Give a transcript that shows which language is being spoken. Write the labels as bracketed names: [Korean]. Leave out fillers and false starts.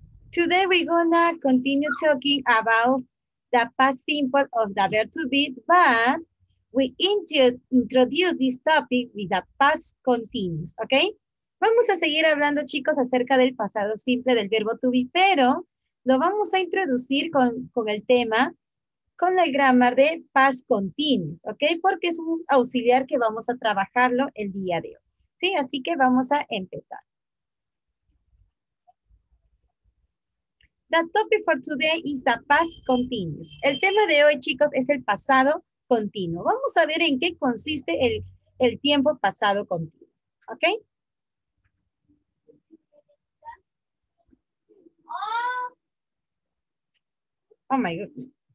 [English] Today we're gonna continue talking about the past simple of the verb to be, but we introduce this topic with the past continuous, okay? [Spanish] Vamos a seguir hablando, chicos, acerca del pasado simple del verbo to be, pero lo vamos a introducir con el tema, con el grammar de past continuous, ¿ok? Porque es un auxiliar que vamos a trabajarlo el día de hoy, ¿sí? Así que vamos a empezar. [English] The topic for today is the past continuous. [Spanish] El tema de hoy, chicos, es el pasado continuo. Vamos a ver en qué consiste el tiempo pasado continuo, ¿ok? [English] Oh my goodness.